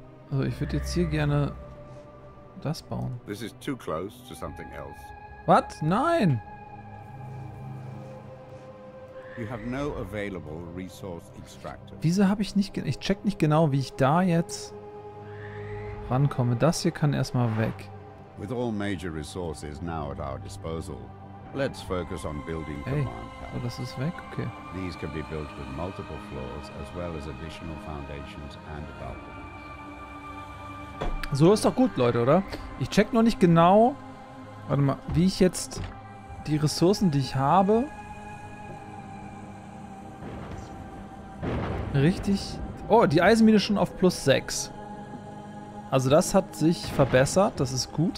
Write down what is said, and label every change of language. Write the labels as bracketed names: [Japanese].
[German] Also ich würde jetzt hier gerne das bauen. [English] This is too close to something else. What? [German] Nein. [English] You have no available resource extractor. [German] Wieso habe ich nicht? Ich check nicht genau, wie ich da jetzt rankomme. Das hier kann erstmal weg. [English] With all major resources now at our disposal. Let's focus on building command towers. [German] Oh, das ist weg. Okay. [English] These can be built with multiple floors as well as additional foundations and balconies. [German] So ist doch gut, Leute, oder? Ich check noch nicht genau, warte mal, wie ich jetzt die Ressourcen, die ich habe, richtig. Oh, die Eisenmine schon auf plus 6. Also das hat sich verbessert, das ist gut.